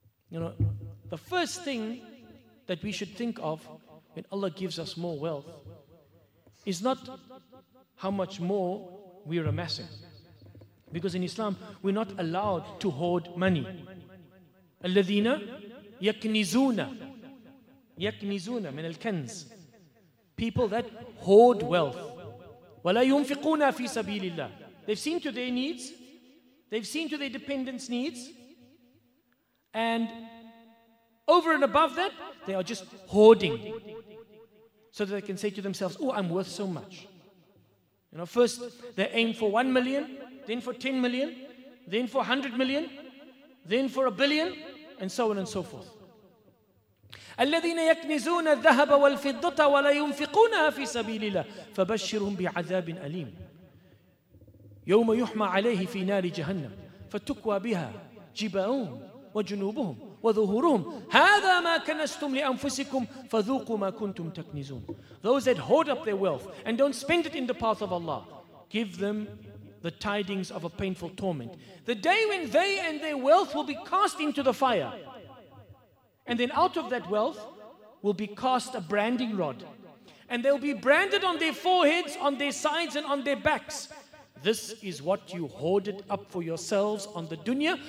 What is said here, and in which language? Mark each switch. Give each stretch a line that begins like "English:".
English: You know, the first thing that we should think of when Allah gives us more wealth is not how much more we're amassing. Because in Islam, we're not allowed to hoard money.
Arabic: الَّذِينَ يَكْنِزُونَ يَكْنِزُونَ مِنَ الْكَنْزِ
English: People that hoard wealth.
Arabic: وَلَا يُنْفِقُونَ فِي سَبِيلِ اللَّهِ
English: They've seen to their needs. They've seen to their dependents' needs. And over and above that, they are just hoarding. So that they can say to themselves, oh, I'm worth so much. You know, first they aim for 1 million, then for 10 million, then for 100 million, then for 1 billion, and so on and so forth.
Arabic: الَّذِينَ يَكْنِزُونَ الذَّهَبَ وَالْفِضَّةَ وَلَا يُنْفِقُونَهَا فِي سَبِيلِ اللَّهِ فَبَشِّرْهُمْ بِعَذَابٍ أَلِيمٍ يَوْمَ يُحْمَى عَلَيْهِ فِي نَارِ جَهَنَّمَ فَتُكْوَى بِهَا جِبَاؤُهُمْ وَجُنُوبُهُمْ وَظُهُورُهُمْ هَذَا مَا كَنَزْتُمْ لِأَنفُسِكُمْ فَذُوقُوا مَا كُنْتُمْ تَكْنِزُونَ
English: Those that hoard up their wealth and don't spend it in the path of Allah, give them the tidings of a painful torment. The day when they and their wealth will be cast into the fire. And then out of that wealth will be cast a branding rod. And they'll be branded on their foreheads, on their sides, and on their backs. This is what you hoarded up for yourselves on the dunya.